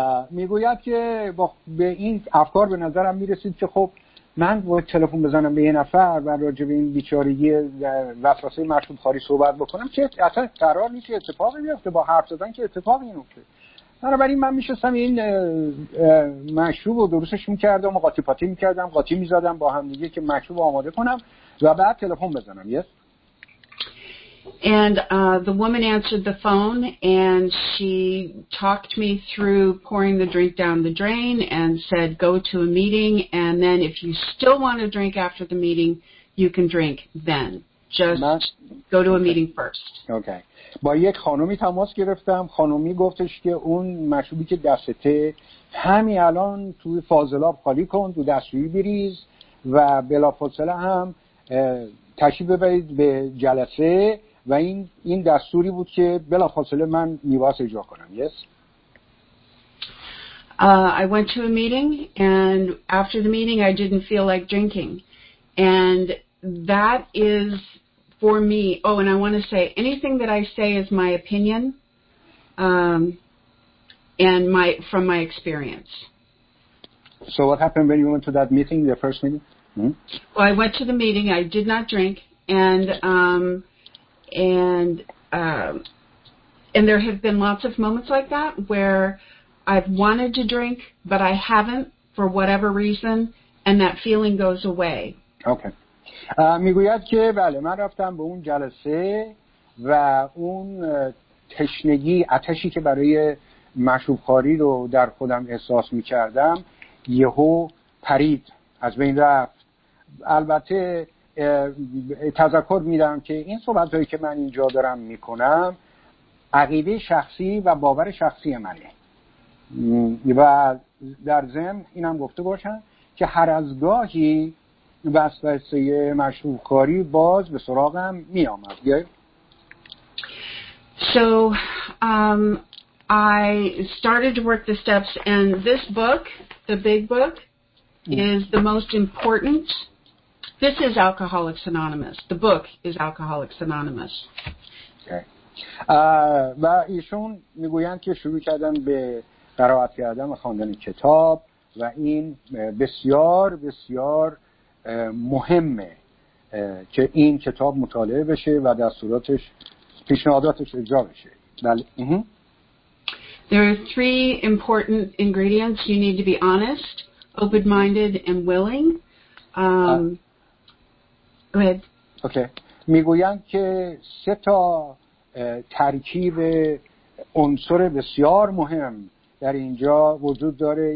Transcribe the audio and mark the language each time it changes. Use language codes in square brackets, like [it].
[fa] میگوید که به این افکار به نظرم میرسید که خب من باید تلفن بزنم به یه نفر و راجع به این بیچارگی وسواس مشروب خواری صحبت بکنم که اصلا قرار نیست اتفاقی بیفته، با حرف زدن که اتفاقی نیفته. بنابراین من میشستم این مشروب رو درستش میکردم و قاطی پاتی میکردم، قاطی میزدم با هم دیگه که مشروب آماده کنم و بعد تلفن بزنم. [en] Yes. And the woman answered the phone and she talked me through pouring the drink down the drain and said go to a meeting and then if you still want to drink after the meeting you can drink then. Just go to a meeting first. [fa] Okay. با یک خانومی تماس گرفتم. خانومی گفتش که اون مشروبی که دستته همین الان تو فاضلاب خالی کن، تو دستشویی بریز و بلافاصله هم تشریف ببرید به جلسه و این دستوری بود که بلافاصله من نیواز اجرا کنم. [en] Yes. I went to a meeting and after the meeting I didn't feel like drinking and that is for me. Oh, and I want to say anything that I say is my opinion and my from my experience. So what happened when you went to that meeting, the first meeting? Well, I went to the meeting. I did not drink. And there have been lots of moments like that where I've wanted to drink, but I haven't for whatever reason, and that feeling goes away. Okay. [fa] میگوید که بله من رفتم به اون جلسه و اون تشنگی آتشی که برای مشروب خوری رو در خودم احساس میکردم یهو پرید از بین رفت. البته تذکر میدم که این صحبت هایی که من اینجا دارم میکنم عقیده شخصی و باور شخصی منه و در ضمن اینم گفته باشم که هر از گاهی وسوسه مشروب خوری باز به سراغم می آمد. [en] So I started to work the steps and this book, the big book, is the most important. This is Alcoholics Anonymous. The book is Alcoholics Anonymous. Okay. [fa] و ایشون می گویند که شروع کردن به قرائت کردن و خواندن کتاب و این بسیار بسیار مهمه که این کتاب مطالعه بشه و دستوراتش پیشنهاداتش اجرا بشه. بله. [en] There are three important ingredients. You need to be honest, open-minded, and willing. Go ahead. Okay. [fa] میگویند که سه تا ترکیب عنصر بسیار مهم در اینجا وجود داره.